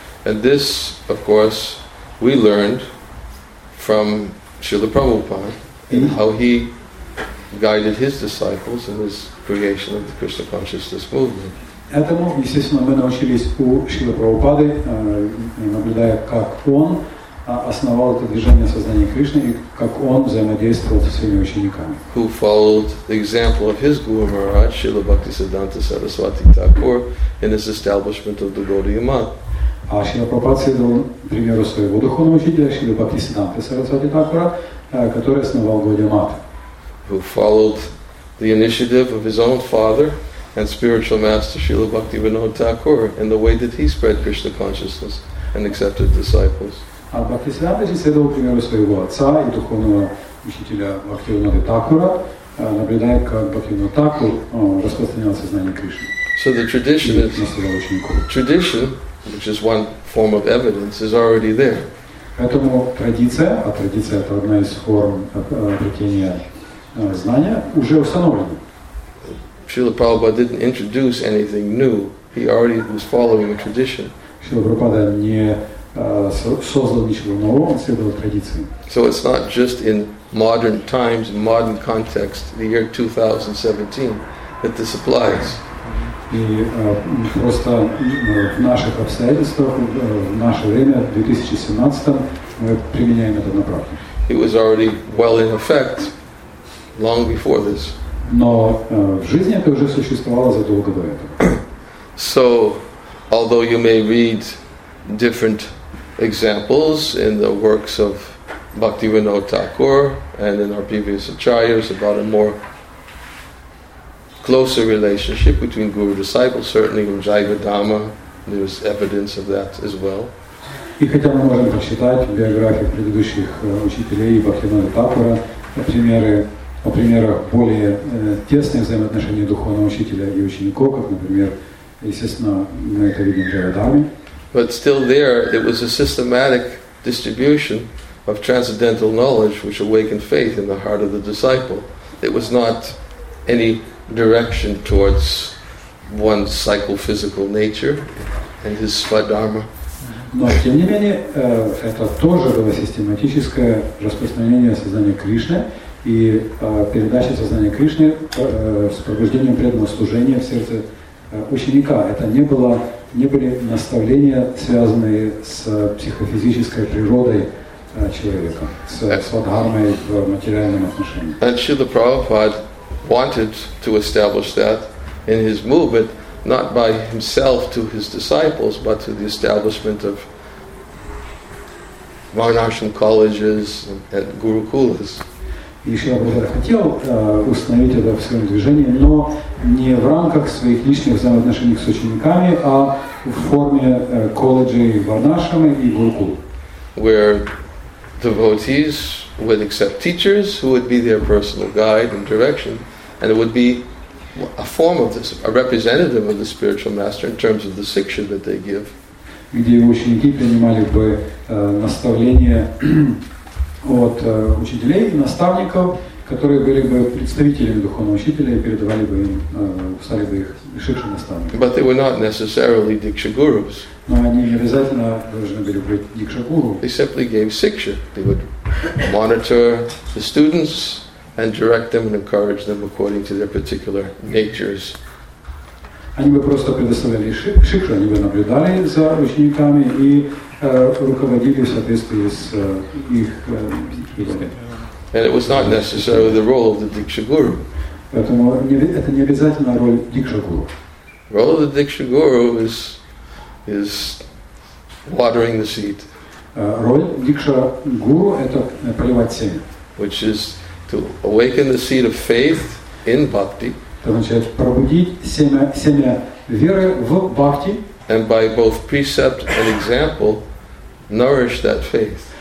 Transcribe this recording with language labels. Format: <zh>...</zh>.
<en>And this, of course, we learned from Srila Prabhupada, how he guided his disciples in his creation of the Krishna consciousness movement.</en> <ru>Этому, естественно, мы научились у Шрилы Прабхупады, наблюдая, как он основал это движение сознания Кришны и как он взаимодействовал со своими учениками.</ru> <en>Who followed the example of his Guru Maharaj, Srila Bhaktisiddhanta Saraswati Thakur, in his establishment of the Gaudiya Math.</en> <ru>А Шрила Прабхупада следовал примеру своего духовного учителя, Шрила Бхактисиддханта Сарасвати Такура, который основал Гаудия Мат.</ru> <en>Who followed the initiative of his own father and spiritual master, Srila Bhaktivinoda Thakur, in the way that he spread Krishna consciousness and accepted disciples.</en> <ru>А Бхактисиддханта же следовал примеру своего отца и духовного учителя Бхактивинода Такура, наблюдая, как Бхактивинода Такур распространял сознание Кришны.</ru> <en>So the tradition is tradition, which is one form of evidence, is already there.</en> <ru>Поэтому традиция, а традиция это одна из форм обретения знания, уже установлена.</ru> <en>Шрила Прабхупада didn't introduce anything new. He already was following a tradition.</en> <ru>Шрила Прабхупада не создал ничего нового, он следовал традиции.</ru> <en>So it's not just in modern times, modern context, the year 2017, that this applies.</en> <ru>И просто в наших обстоятельствах, в наше время, в 2017, мы применяем это на практике.</ru> <en>It was already well in effect long before this.</en> <ru>Но в жизни это уже существовало задолго до этого.</ru> <en>So, although you may read different examples in the works of Bhaktivinoda Thakur and in our previous acharyas about a more closer relationship between guru disciple, certainly in Jiva Dharma, there is evidence of that as well.</en> <ru>И хотя мы можем прочитать в биографиях предыдущих учителей Бхактивинода Такура о примерах более тесных взаимоотношений духовного учителя и учеников, как, например, естественно, мы это видим в Джайва Дхарме.</ru> <en>But still there, it was a systematic distribution of transcendental knowledge which awakened faith in the heart of the disciple. It was not any direction towards one's psychophysical nature and his svadharma.</en> <ru>Но тем не менее это тоже было систематическое распространение сознания Кришны и передача сознания Кришны с пробуждением преданного служения в сердце ученика. Это не было, не были наставления, связанные с психофизической природой человека, с свадхармой в материальном отношении.</ru> <en>And Srila Prabhupada wanted to establish that in his movement. Not by himself to his disciples, but to the establishment of Varnashram colleges and Gurukulas.</en> <ru>Ишва Бхагавад хотел установить это в своем движении, но не в рамках своих личных взаимоотношений с учениками, а в форме колледжей Варнашрама и Гурукул.</ru> <en>Where devotees would accept teachers who would be their personal guide and direction, and it would be a form of this, a representative of the spiritual master in terms of the siksha that they give.</en> <ru>Где ученики принимали бы наставления от учителей и наставников, которые были бы представителями духовного учителя и передавали бы им, стали бы их шикши наставниками.</ru> <en>But they were not necessarily diksha gurus.</en> <ru>Но они не обязательно должны были быть дикша гуру.</ru> <en>They simply gave siksha. They would monitor the students and direct them and encourage them according to their particular natures.</en> <ru>Они бы просто предоставляли шикшу, они бы наблюдали за учениками и руководили в соответствии с их психикой.</ru> <en>And it was not necessarily the role of the Diksha Guru.</en> <ru>Поэтому это не обязательно роль Диксха Гуру.</ru> <en>Role of the Diksha Guru is watering the seed.</en> <ru>Роль Диксха Гуру – это поливать семя.</ru> <en>Which is to awaken the seed of faith in bhakti.</en> <ru>Это означает пробудить семя веры в бхакти.</ru> <en>And by both precept and example, nourish that faith.</en>